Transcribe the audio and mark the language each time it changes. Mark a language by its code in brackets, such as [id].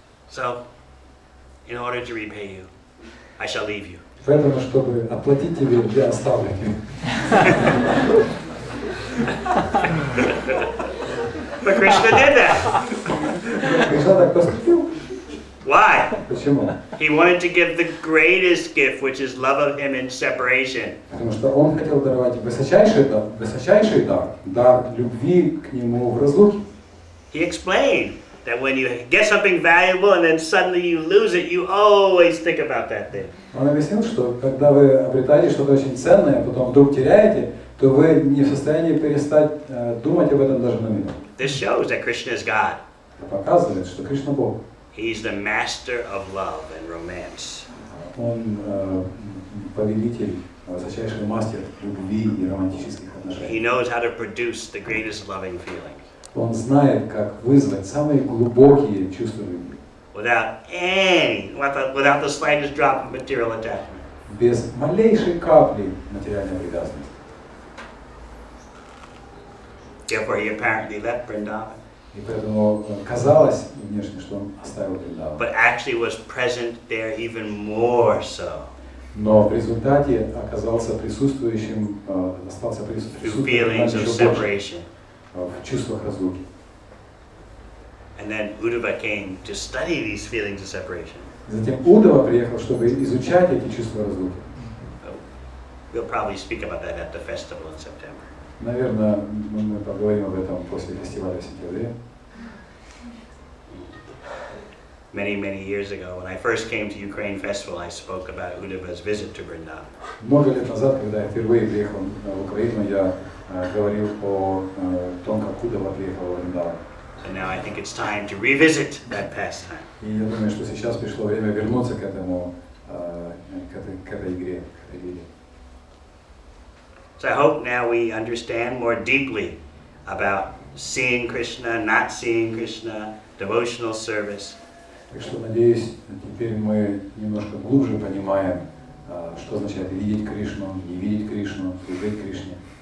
[en] So, in order to repay you, I shall leave you. [ru] Поэтому, чтобы оплатить тебе, я оставлю тебя. [en] But Krishna did that. [ru] Krishna так поступил. [en] Why? [ru] Почему? [en] He wanted to give the greatest gift, which is love of him in separation. [ru] Потому что он хотел даровать высочайший дар, дар любви к нему в разлуке. [en] He explained that when you get something valuable and then suddenly you lose it, you always think about that thing. [ru] Он объяснил, что когда вы обретаете что-то очень ценное, а потом вдруг теряете, то вы не в состоянии перестать думать об этом даже на минуту. [en] This shows that Krishna is God. [ru] Это показывает, что Кришна Бог. [en] He's the master of love and romance. [ru] Он повелитель, высочайший мастер любви и романтических отношений. [en] He knows how to produce the greatest loving feelings. [ru] Он знает, как вызвать самые глубокие чувства любви. [en] Without the slightest drop of material attachment. [ru] Без малейшей капли материальной привязанности. [en] Therefore, he apparently left Vrindavan. [ru] И поэтому казалось внешне, что он оставил Вриндаван. [en] But actually was present there even more so. [ru] Но в результате оказался присутствующим, остался присутствующим. [en] Feelings of separation. [ru] В чувствах разлуки. [en] And then Uddhava came to study these feelings of separation. [ru] Затем Удава приехал, чтобы изучать эти чувства разлуки. [en] We'll probably speak about that at the festival in September. [ru] Наверное, мы поговорим об этом после фестиваля в сентябре. [en] Many, many years ago, when I first came to Ukraine festival, I spoke about Uddhava's visit to Vrindavan. [ru] Много лет назад, когда я впервые приехал в Украину, я говорил о том, как Удава приехал в Вриндаван. [en] And now I think it's time to revisit that pastime. [ru] И я думаю, что сейчас пришло время вернуться к этому, к этой игре, к этой игре. [en] So I hope now we understand more deeply about seeing Krishna, not seeing Krishna, devotional service. [ru] Так что, надеюсь, теперь мы немножко глубже понимаем, что означает видеть Кришну, не видеть Кришну, служить Кришне.